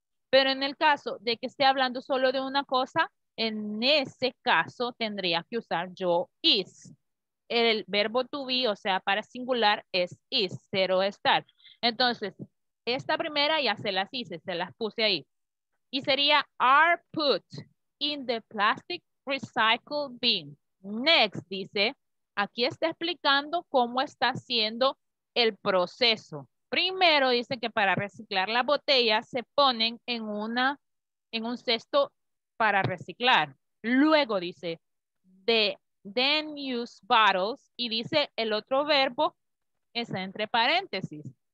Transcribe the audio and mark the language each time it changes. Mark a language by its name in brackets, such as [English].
[Spanish] Pero en el caso de que esté hablando solo de una cosa, en ese caso tendría que usar yo is. El verbo to be, o sea, para singular, es is, ser o estar. Entonces, esta primera ya se las hice, se las puse ahí. [English] Y sería are put in the plastic recycle bin. [Spanish] Next, dice, aquí está explicando cómo está haciendo el proceso. Primero dice que para reciclar las botellas se ponen en un cesto para reciclar. Luego dice, [English] then use bottles, [Spanish] y dice el otro verbo, está entre paréntesis.